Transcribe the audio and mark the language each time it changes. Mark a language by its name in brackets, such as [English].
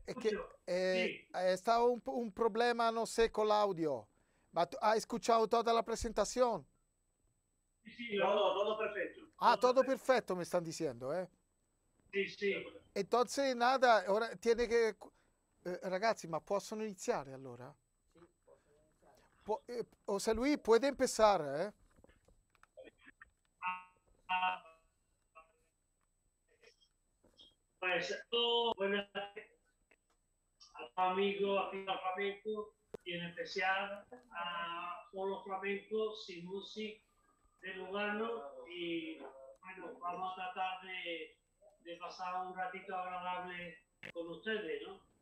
[Spanish] Es que estaba un problema, no sé, con el audio. ¿Ha escuchado toda la presentación? Sí, no, todo perfecto. Ah, todo perfecto, me están diciendo, ¿eh? Sí, sí. Entonces, nada, ahora tiene que... [Italian] ragazzi, ¿ma possono iniziare, allora? Sí, posso iniziare. [Spanish] José Luis, puede empezar, ¿eh? Pues, buenas tardes a amigos, a ti, a flamenco, y en especial a todos los flamencos sin música de Lugano, y bueno, vamos a tratar de pasar un ratito agradable con ustedes, ¿no?